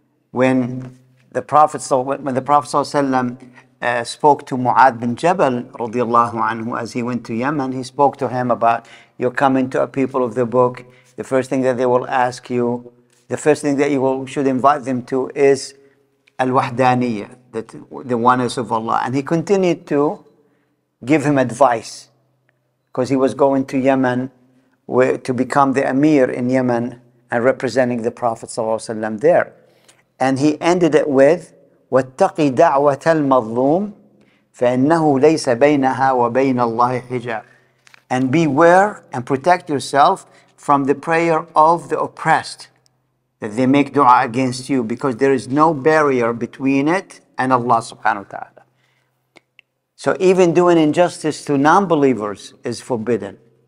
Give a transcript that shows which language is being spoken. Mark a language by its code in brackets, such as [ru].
[en] When the Prophet sallallahu alaihi wasallam spoke to Mu'adh bin Jabal radiyallahu anhu as he went to Yemen, he spoke to him about, you're coming to a people of the book, the first thing that they will ask you, the first thing that you will, should invite them to is al-wahdaniyya, that the oneness of Allah. And he continued to give him advice, because he was going to Yemen to become the emir in Yemen and representing the Prophet ﷺ there. And he ended it with, [ar] وَاتَّقِ دَعْوَةَ الْمَظْلُومِ فَإِنَّهُ لَيْسَ بَيْنَهَا وَبَيْنَ اللَّهِ حِجَابٌ. [en] And beware and protect yourself from the prayer of the oppressed, that they make dua against you, because there is no barrier between it and Allah subhanahu wa ta'ala. So even doing injustice to non-believers is forbidden.